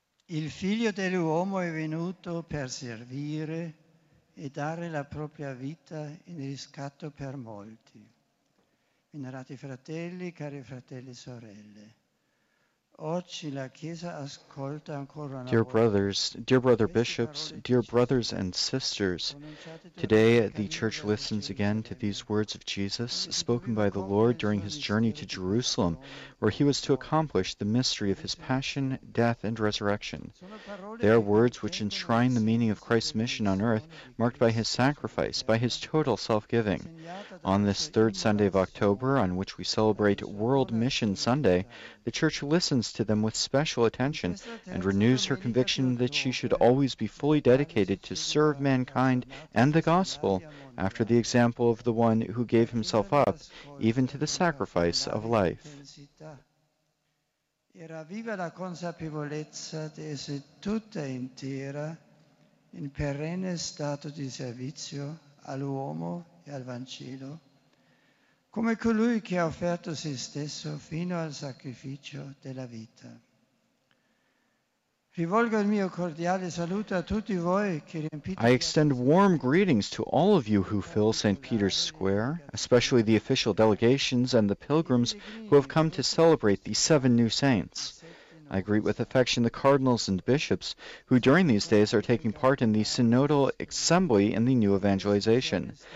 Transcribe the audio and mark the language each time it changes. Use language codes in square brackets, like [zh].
[it] Il figlio dell'uomo è venuto per servire e dare la propria vita in riscatto per molti. Venerati fratelli, cari fratelli e sorelle, oggi la Chiesa ascolta ancora una volta. [en] Dear brothers, dear brother bishops, dear brothers and sisters, today the Church listens again to these words of Jesus spoken by the Lord during his journey to Jerusalem, where he was to accomplish the mystery of his passion, death, and resurrection. They are words which enshrine the meaning of Christ's mission on earth, marked by his sacrifice, by his total self-giving. On this third Sunday of October, on which we celebrate World Mission Sunday, the Church listens to them with special attention and renews her conviction that she should always be fully dedicated to serve mankind and the gospel after the example of the one who gave himself up, even to the sacrifice of life. [it] Era viva la consapevolezza di essere tutta intera in perenne stato di servizio all'uomo e al Vangelo, come colui che ha offerto se stesso fino al sacrificio della vita. Rivolgo il mio cordiale saluto a tutti voi che riempite. [en] I extend warm greetings to all of you who fill St. Peter's Square, especially the official delegations and the pilgrims who have come to celebrate the seven new saints. I greet with affection the cardinals and bishops who during these days are taking part in the synodal assembly in the new evangelization.